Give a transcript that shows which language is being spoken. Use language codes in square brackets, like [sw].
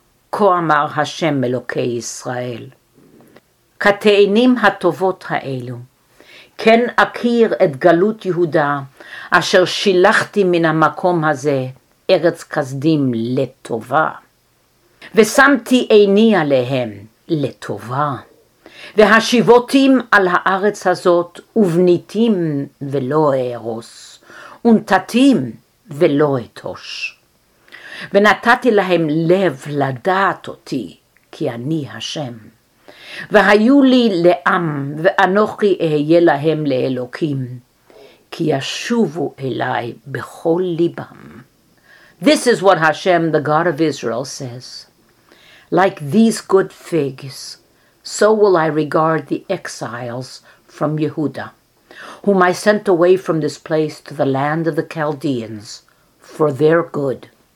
[he] Koh amar Hashem Elokei Yisrael, kateinim hatovot ha'elu, ken akir et galut Yehuda, asher shilachti min ha'makom hazeh, eretz kasdim letova, v'samti eini alehem letova, והשיבותים על הארץ הזאת ובניתים ולא אהרוס, ונתתים ולא אתוש. ונתתי להם לב לדעת אותי, כי אני השם. והיו לי לעם, ואנוכי אהיה להם לאלוקים, כי ישובו אליי בכל ליבם. [en] This is what Hashem, the God of Israel, says. Like these good figs, so will I regard the exiles from Yehuda, whom I sent away from this place to the land of the Chaldeans, for their good.